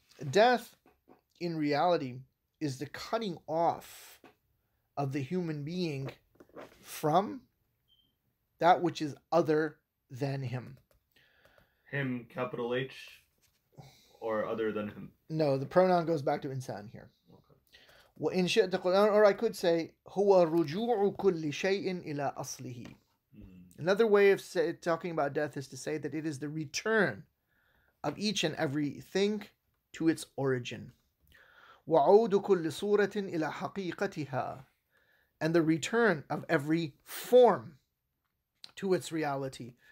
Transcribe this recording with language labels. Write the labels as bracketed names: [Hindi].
[English] Death, in reality, is the cutting off of the human being from that which is other than him. Him, capital H, or other than him? No, the pronoun goes back to insan here. [Arabic] وَإِنْ شِئْتَ قُلْ, [English] or I could say, [Arabic] هُوَ رُجُوعُ كُلِّ شَيْءٍ إِلَىٰ أَصْلِهِ. [English] Another way of talking about death is to say that it is the return of each and every thing to its origin. [Arabic] وَعُودُ كُلِّ صُورَةٍ إِلَىٰ حَقِيقَتِهَا. [English] And the return of every form to its reality.